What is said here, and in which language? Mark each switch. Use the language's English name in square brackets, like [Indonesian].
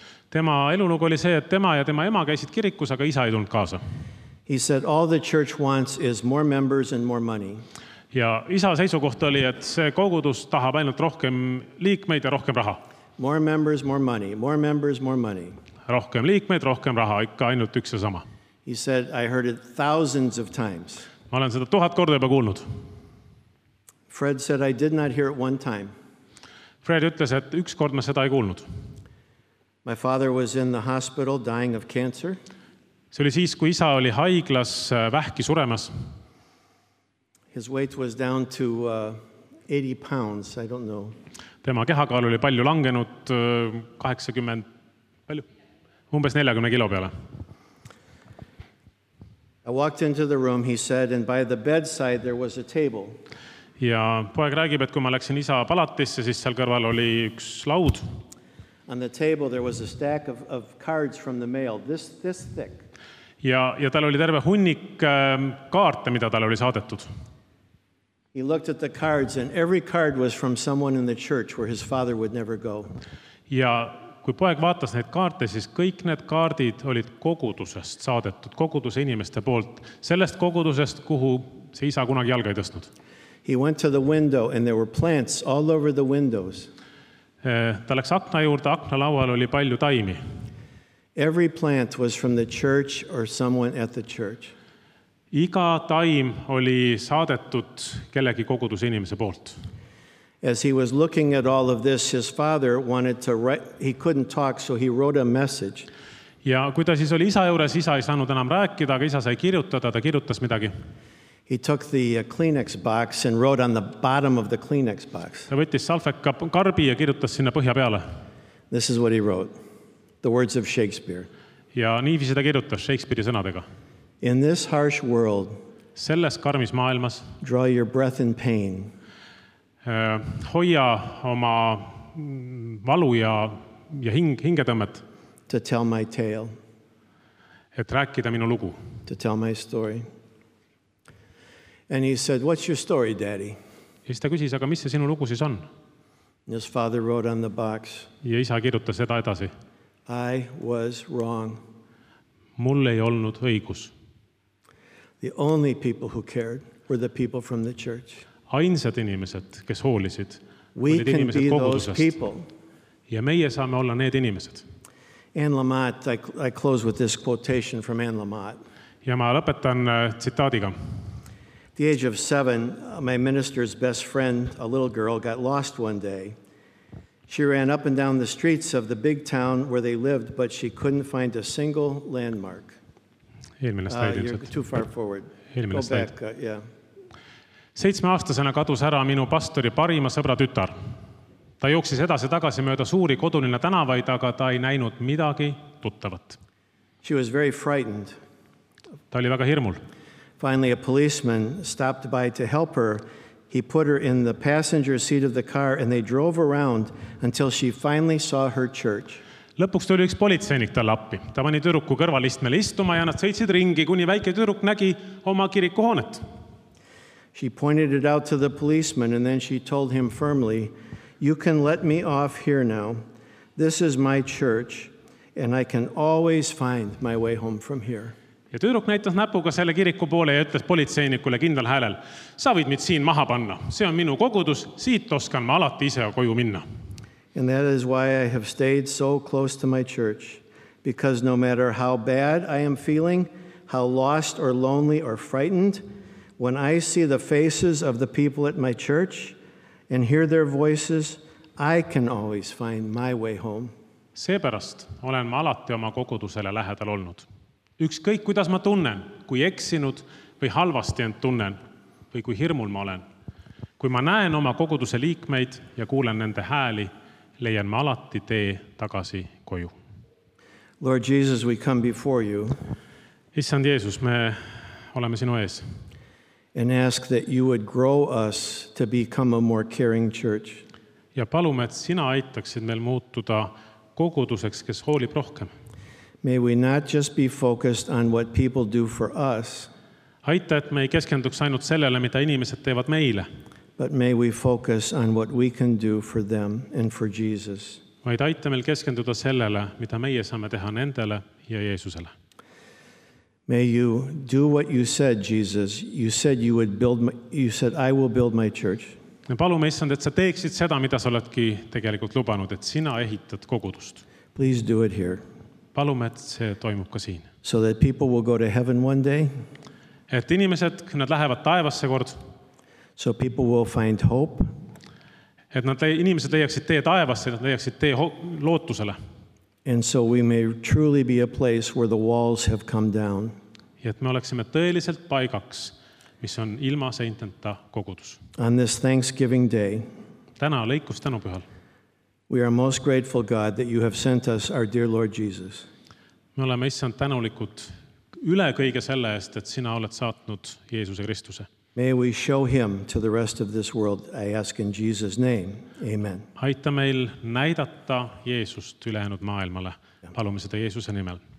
[Estonian] Tema elulugu oli see, et tema ja tema ema käisid kirikus, aga isa ei tulnud kaasa. [English] He said, all the church wants is more members and more money. [Estonian] Ja isa seisukoht oli, et see kogudus tahab ainult rohkem liikmeid ja rohkem raha. [English] More members, more money. More members, more money. [Estonian] Rohkem liikmeid, rohkem raha, ikka ainult üks ja sama. [English] He said, I heard it thousands of times. [Estonian] Ma olen seda tuhat korda juba kuulnud. [English] Fred said, I did not hear it one time. [Estonian] Fred ütles, et üks kord ma seda ei kuulnud. [English] My father was in the hospital dying of cancer. [Estonian] See oli siis, kui isa oli haiglas vähki suremas. His weight was down to 80 pounds, I don't know. Tema kehakaal oli palju langenud, 80, palju? Umbes 40 kilo peale. [English] I walked into the room, he said, and by the bedside there was a table. [Estonian] Ja poeg räägib, et kui ma läksin isa palatisse, siis seal kõrval oli üks laud. [English] On the table there was a stack of cards from the mail, this thick. [Estonian] Ja tal oli terve hunnik kaarte, mida tal oli saadetud. [English] He looked at the cards and every card was from someone in the church where his father would never go. [Estonian] Ja kui poeg vaatas neid kaarte, siis kõik need kaardid olid kogudusest saadetud, koguduse inimeste poolt, sellest kogudusest, kuhu see isa kunagi jalga ei tõstnud. [English] He went to the window and there were plants all over the windows. [Estonian] Ta läks akna juurde, akna laual oli palju taimi. [English] Every plant was from the church or someone at the church. [Estonian] Iga taim oli saadetud kellegi koguduse inimese poolt. [English] As he was looking at all of this, his father wanted to write, he couldn't talk, so he wrote a message. [Estonian] Ja kui ta siis oli isa juures, isa ei saanud enam rääkida, aga isa sai kirjutada, ta kirjutas midagi. [English] He took the Kleenex box and wrote on the bottom of the Kleenex box. [Estonian] Ta võttis salfeka karbi ja kirjutas sinna põhja peale. [English] This is what he wrote. The words of Shakespeare. [Estonian] Ja nii viisi ta kirjutas Shakespeare'i sõnadega. [English] In this harsh world, [Estonian] selles karmis maailmas, [English] draw your breath in pain. [Estonian] Hoia oma valu ja hingetõmmet. [English] To tell my tale. [Estonian] Et rääkida minu lugu. [English] To tell my story. And he said, what's your story, daddy? [Estonian] Ja siis ta küsis, aga mis see sinu lugu siis on? [English] And his father wrote on the box. [Estonian] Ja isa kirjutas seda edasi. [English] I was wrong. [Estonian] Mul ei olnud õigus. [English] The only people who cared were the people from the church. [Estonian] Ainsad inimesed, kes hoolisid, [English] we [Estonian] olid inimesed [English] can be [Estonian] kogudusest. [English] Those people. [Estonian] Ja meie saame olla need inimesed. [English] Anne Lamott, I close with this quotation from Anne Lamott. [Estonian] Ja ma lõpetan tsitaadiga. [English] The age of 7, my minister's best friend, a little girl, got lost one day. She ran up and down the streets of the big town where they lived, but she couldn't find a single landmark. [Estonian] Eelmine slaid. [English] You're too far forward. [Estonian] Eelmine [English] Go [Estonian] slaid. [English] Back, yeah. [Estonian] 7-aastasena kadus ära minu pastori parima sõbra tütar. Ta jooksis edasi tagasi mööda suuri kodulinna tänavaid, aga ta ei näinud midagi tuttavat. [English] She was very frightened. [Estonian] Ta oli väga hirmul. [English] Finally, a policeman stopped by to help her. He put her in the passenger seat of the car and they drove around until she finally saw her church. [Estonian] Lõpuks tuli üks politseinik talle appi. Ta pani tüdruku kõrvalistmele istuma ja nad sõitsid ringi, kuni väike tüdruk nägi oma kirikuhoonet. [English] She pointed it out to the policeman and then she told him firmly, "You can let me off here now. This is my church and I can always find my way home from here." [Estonian] Ja tüdruk näitas näpuga selle kiriku poole ja ütles politseinikule kindlal häälel, sa võid mind siin maha panna. See on minu kogudus, siit oskan ma alati ise koju minna. [English] And that is why I have stayed so close to my church, because no matter how bad I am feeling, how lost or lonely or frightened, when I see the faces of the people at my church and hear their voices, I can always find my way home. [Estonian] Seepärast olen ma alati oma kogudusele lähedal olnud. Ükskõik, kuidas ma tunnen, kui eksinud või halvasti end tunnen või kui hirmul ma olen. Kui ma näen oma koguduse liikmeid ja kuulen nende hääli, leian ma alati tee tagasi koju. [English] Lord Jesus, we come before you. [Estonian] Issand Jeesus, me oleme sinu ees. [English] And ask that you would grow us to become a more caring church. [Estonian] Ja palume, et sina aitaksid meil muutuda koguduseks, kes hoolib rohkem. [English] May we not just be focused on what people do for us. [Estonian] Aita, et me ei keskenduks ainult sellele, mida inimesed teevad meile. [English] But may we focus on what we can do for them and for Jesus. [Estonian] Vaid aita meil keskenduda sellele, mida meie saame teha nendele ja Jeesusele. [English] May you do what you said, Jesus. You said you would build my, you said I will build my church. [Estonian] Me palume, Issand, et sa teeksid seda, mida sa oledki tegelikult lubanud, et sina ehitad kogudust. [English] Please do it here. [Estonian] Palume, et see toimub ka siin. [English] So that people will go to heaven one day. [Estonian] Et inimesed, nad lähevad taevasse kord. [English] So people will find hope. [Estonian] Et nad inimesed leiaksid tee taevasse, nad leiaksid tee lootusele. [English] And so we may truly be a place where the walls have come down. [Estonian] Ja et me oleksime tõeliselt paigaks, mis on ilma seintenta kogudus. [English] On this Thanksgiving day. [Estonian] Täna lõikus tänupühal. [English] We are most grateful, God, that you have sent us our dear Lord Jesus. [Estonian] Me oleme Issand tänulikud üle kõige selle eest, et sina oled saatnud Jeesuse Kristuse. [English] May we show him to the rest of this world, I ask in Jesus' name. Amen. [Estonian] Aita meil näidata Jeesust ülejäänud maailmale. Palume seda Jeesuse nimel.